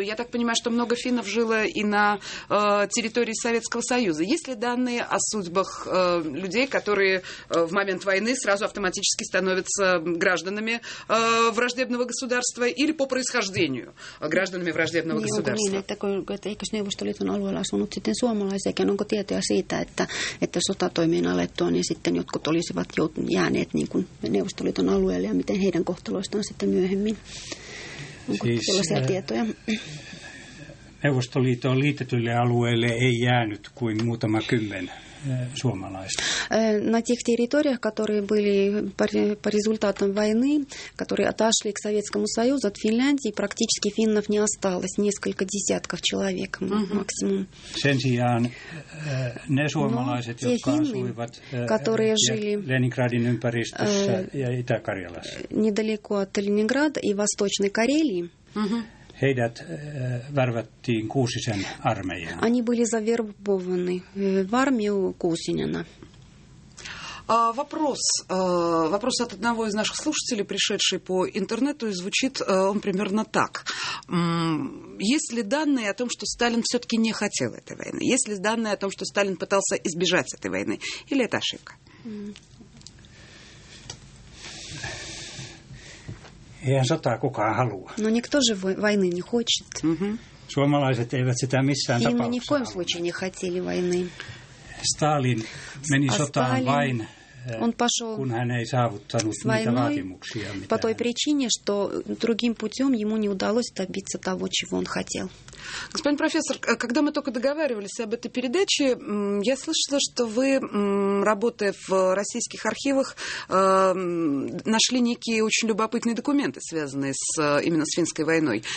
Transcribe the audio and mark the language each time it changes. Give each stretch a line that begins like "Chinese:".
Russian: Я так понимаю, что много финнов жило и на территории Советского Союза. Есть ли данные о судьбах людей, которые в момент войны сразу автоматически становятся гражданами враждебного государства или по происхождению гражданами враждебного
Finnish: niin,
Russian: государства?
Finnish: Niin, että eikös Neuvostoliiton alueella asunut sitten suomalaisiakin? Onko tietoja siitä, että sotatoimien alettua, niin sitten jotkut olisivat jääneet niin kuin Neuvostoliiton alueelle ja miten heidän kohtaloistaan sitten myöhemmin? Onko siis, tällaisia tietoja? Neuvostoliiton liitetylle alueelle ei jäänyt kuin muutama kymmen suomalaiset?
Russian: На тех территориях, которые были по результатам войны, которые отошли к Советскому Союзу, от Финляндии, практически финнов не осталось, несколько десятков человек максимум.
Finnish: Sen sijaan ne suomalaiset, no, jotka asuivat
Russian: которые жили
Finnish: Ленинградин ympäristössä ja Itä-Karjalassa.
Russian: Недалеко от Ленинграда и Восточной Карелии.
Finnish: Heidät värvättiin Kuusisen armeijaan.
Russian: Они были завербованы в армию Кусинина. Вопрос от одного из наших слушателей, пришедший по интернету, и звучит он примерно так. Есть ли данные о том, что Сталин все-таки не хотел этой войны? Есть ли данные о том, что Сталин пытался избежать этой войны? Или это ошибка?
Finnish: Eihän sotaa kukaan halua.
Russian: No никто же войны не хочет.
Finnish: Suomalaiset eivät sitä missään tapauksessa.
Russian: Ни в коем случае не хотели войны.
Finnish: Сталин meni sotaan vain, kun hän ei saavuttanut niitä vaatimuksia.
Russian: По той причине, что другим путем ему не удалось добиться того, чего он хотел. Господин профессор, когда мы только договаривались об этой передаче, я слышала, что вы, работая в российских архивах, нашли некие очень любопытные документы, связанные с именно с Финской войной.